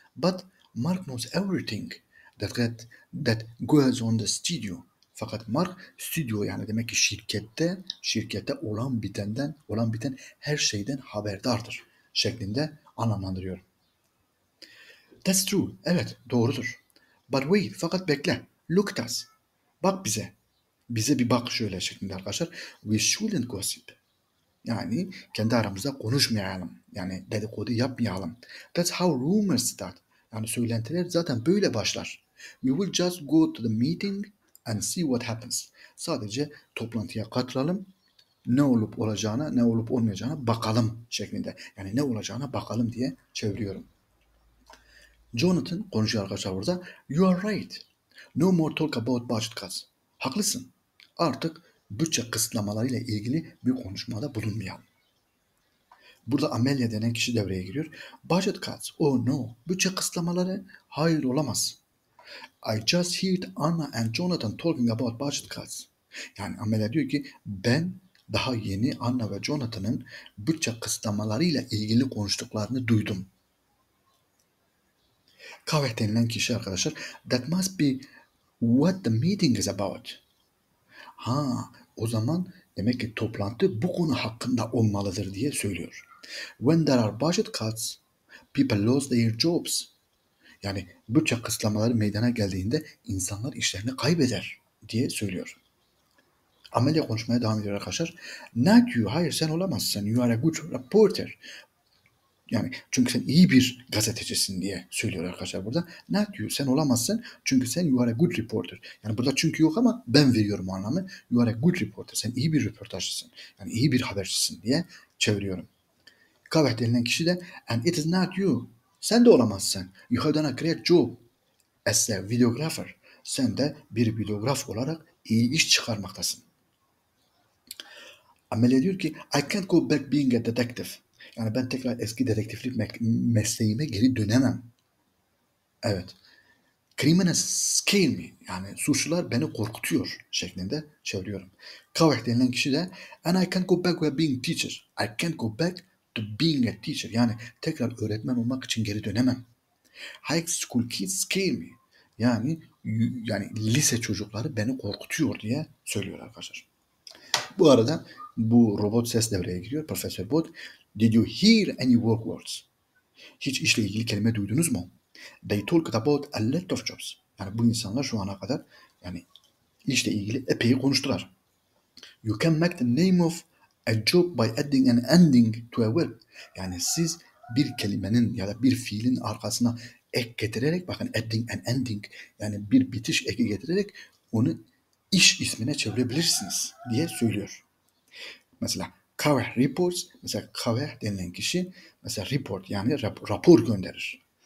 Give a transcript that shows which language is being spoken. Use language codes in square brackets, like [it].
[en] But Mark knows everything that goes on the studio. [tr] Fakat Mark studio yani demek ki şirkette olan bitenden, olan biten her şeyden haberdardır şeklinde anlamlandırıyor. [en] That's true. [tr] Evet, doğrudur. [en] But wait, [tr] fakat bekle. [en] Look at us. [tr] Bak bize. Bize bir bak şöyle şeklinde arkadaşlar. [en] We shouldn't gossip. [tr] Yani kendi aramızda konuşmayalım. Yani dedikodu yapmayalım. [en] That's how rumors start. [tr] Yani söylentiler zaten böyle başlar. [en] We will just go to the meeting and see what happens. [tr] Sadece toplantıya katılalım. Ne olup olacağına, ne olup olmayacağına bakalım şeklinde. Yani ne olacağına bakalım diye çeviriyorum. Jonathan konuşuyor arkadaşlar burada. [en] You are right. No more talk about budget cuts. [tr] Haklısın. Artık bütçe kısıtlamalarıyla ilgili bir konuşmada bulunmayalım. Burada Amelia denen kişi devreye giriyor. [en] Budget cuts. Oh no. [tr] Bütçe kısıtlamaları. Hayır, olamaz. [en] I just heard Anna and Jonathan talking about budget cuts. [tr] Yani Amelia diyor ki ben daha yeni Anna ve Jonathan'ın bütçe kısıtlamalarıyla ilgili konuştuklarını duydum. Kahve denilen kişi arkadaşlar. [en] That must be what the meeting is about. [tr] Ha, o zaman demek ki toplantı bu konu hakkında olmalıdır diye söylüyor. [en] When there are budget cuts, people lose their jobs. [tr] Yani bütçe kısıtlamaları meydana geldiğinde insanlar işlerini kaybeder diye söylüyor. Amelia konuşmaya devam ediyor arkadaşlar. [en] Not you. [tr] Hayır, sen olamazsın. [en] You are a good reporter. [tr] Yani çünkü sen iyi bir gazetecisin diye söylüyor arkadaşlar burada. [en] Not you. [tr] Sen olamazsın. Çünkü sen [en] you are a good reporter. [tr] Yani burada çünkü yok ama ben veriyorum o anlamı. [en] You are a good reporter. [tr] Sen iyi bir röportajcısın. Yani iyi bir habercisin diye çeviriyorum. Kahve denilen kişi de [en] and it is not you. [tr] Sen de olamazsın. [en] You have done a great job as a videographer. [tr] Sen de bir videograf olarak iyi iş çıkarmaktasın. Amelia diyor ki [en] I can't go back being a detective. [tr] Yani ben tekrar eski dedektiflik mesleğime geri dönemem. Evet. [en] Criminals scare me. [tr] Yani suçlular beni korkutuyor şeklinde çeviriyorum. Kavak denilen kişi de [en] and I can't go back to being a teacher. I can't go back to being a teacher. [tr] Yani tekrar öğretmen olmak için geri dönemem. [en] High school kids scare me. [tr] Yani lise çocukları beni korkutuyor diye söylüyor arkadaşlar. Bu arada bu robot ses devreye giriyor. Profesör Bot. [en] Did you hear any work words? [tr] Hiç işle ilgili kelime duydunuz mu? [en] They talked about a lot of jobs. [tr] Yani bu insanlar şu ana kadar yani işle ilgili epey konuştular. [en] You can make the name of a job by adding an ending to a word. [tr] Yani siz bir kelimenin ya da bir fiilin arkasına ek getirerek, bakın [en] adding an ending, [tr] yani bir bitiş eki getirerek onu iş ismine çevirebilirsiniz diye söylüyor. Mesela [en] Kaveh reports, [tr] mesela Kaveh denilen kişi mesela report yani rapor gönderir.